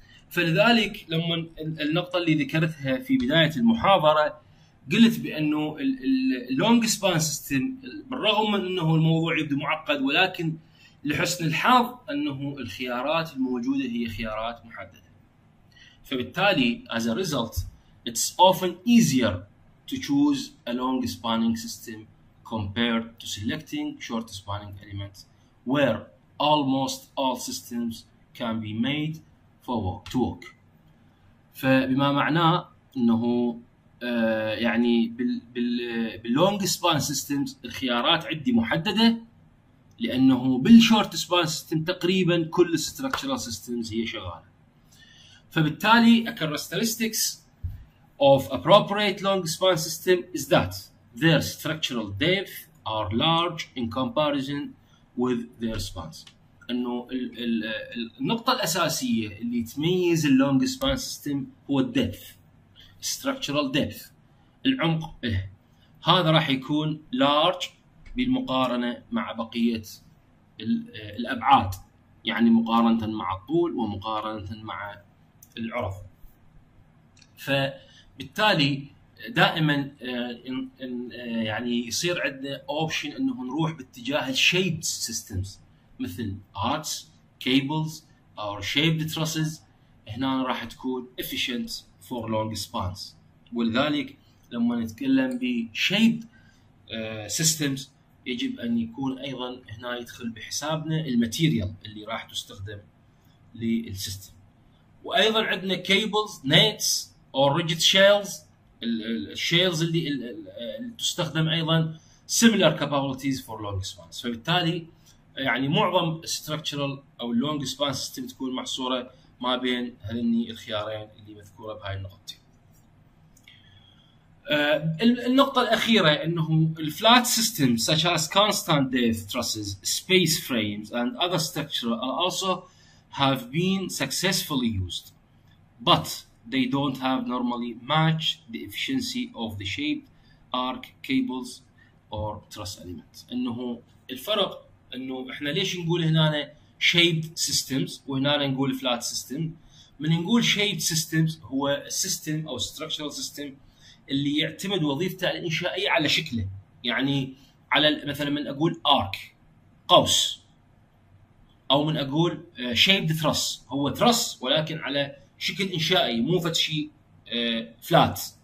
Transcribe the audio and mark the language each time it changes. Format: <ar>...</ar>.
<ar>فلذلك لما النقطة اللي ذكرتها في بداية المحاضرة قلت بأنه اللونج سبان سيستم بالرغم من أنه الموضوع يبدو معقد، ولكن لحسن الحظ أنه الخيارات الموجودة هي خيارات محددة.</ar> <en>فبالتالي as a result it's often easier to choose a long spanning system compared to selecting short spanning elements where almost all systems can be made to work.</en> <ar>فبما معناه انه يعني باللونج سبان سيستمز الخيارات عندي محدده، لانه بالشورت سبان سيستم تقريبا كل الستراكشرال سيستمز هي شغاله.</ar> <en>فبالتالي characteristics of appropriate long span system is that their structural depth are large in comparison with their spans.</en> <ar>انه النقطه الاساسيه اللي تميز اللونج سبان سيستم هو الديبث، ستراكشرال ديبث، العمق له. هذا راح يكون لارج بالمقارنه مع بقيه الابعاد، يعني مقارنه مع الطول ومقارنه مع العرض. فبالتالي دائما يعني يصير عندنا اوبشن انه نروح باتجاه الشيبد سيستمز مثل</ar> <en>arts, cables, or shaped trusses.</en> <ar>هنا راح تكون</ar> <en>efficient for long spans.</en> <ar>ولذلك لما نتكلم ب shaped systems يجب أن يكون أيضا هنا يدخل بحسابنا الماتيريال اللي راح تستخدم للسيستم. وأيضا عندنا</ar> <en>cables, nets, or rigid shells. الshells</en> <ar>اللي تستخدم أيضا</ar> <en>similar capabilities for long spans.</en> <ar>فبالتالي يعني معظم structural أو long span system تكون محصورة ما بين هذني الخيارين اللي مذكورة بهاي النقطة. النقطة الأخيرة إنه</ar> <en>flat systems such as constant depth trusses, space frames and other structural also have been successfully used, but they don't have normally match the efficiency of the shaped arc cables or truss elements.</en> <ar>إنه الفرق انه احنا ليش نقول هنا shaped systems وهنا نقول flat system. من نقول shaped systems هو system او structural system اللي يعتمد وظيفته الانشائية على شكله، يعني على مثلا من اقول arc قوس، او من اقول shaped truss هو truss ولكن على شكل انشائي مو فد شيء flat.</ar>